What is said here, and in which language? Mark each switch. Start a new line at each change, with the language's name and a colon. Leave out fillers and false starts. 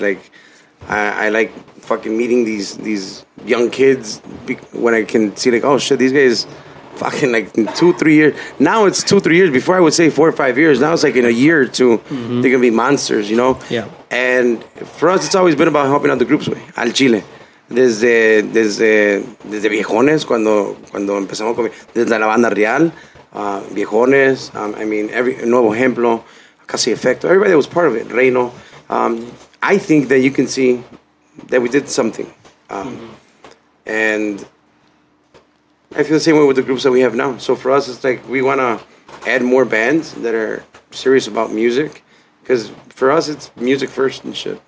English: Like, I like fucking meeting these young kids when I can see, like, oh shit, these guys fucking, like, in 2-3 years. Now it's 2-3 years. Before I would say 4 or 5 years. Now it's like in a year or two, mm-hmm. they're gonna be monsters, you know? Yeah. And for us, it's always been about helping out the groups, way
Spanish: al chile. Desde viejones cuando empezamos con desde la banda real, viejones.
English: I mean, every
Spanish: nuevo ejemplo, casi efecto.
English: Everybody that was part of it, Reino. I think that you can see that we did something, mm-hmm. and I feel the same way with the groups that we have now. So for us, it's like we want to add more bands that are serious about music, because for us, it's music first and shit.